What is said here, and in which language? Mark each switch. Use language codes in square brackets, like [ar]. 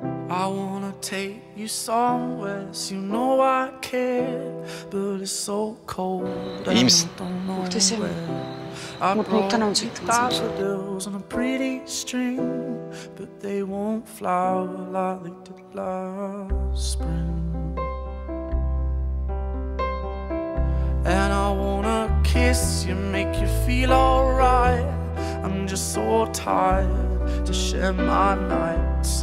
[en] I wanna take you somewhere, you know I care, but it's so cold. [tr] İyi misin? Muhteşem. Mutluluktan ölecektim sana. [en] Pretty string, but they won't flower like the last spring. And I wanna kiss you, make you feel alright. I'm just so tired to share my nights.